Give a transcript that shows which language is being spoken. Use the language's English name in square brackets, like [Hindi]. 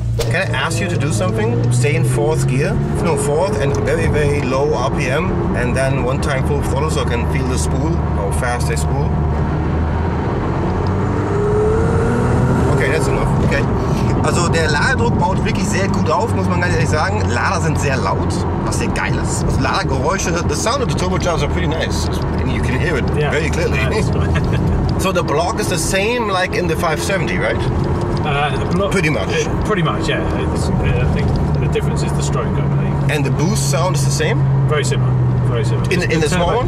[English] Can I ask you to do something? Stay in fourth gear? No, fourth and very, very low RPM. And then one time full throttle so I can feel the spool, how fast they spool. Okay, that's enough. Okay. [German] Also der Ladedruck baut wirklich sehr gut auf, muss man ganz ehrlich sagen. Lader sind sehr laut, was sehr geil ist. Also Ladergeräusche, [English] the sound of the turbochargers are pretty nice. And you can hear it, yeah, very clearly. So the block is the same like in the 570, right? Pretty much, yeah. I think the difference is the stroke, I believe. And the boost sound is the same? Very similar. In the small one?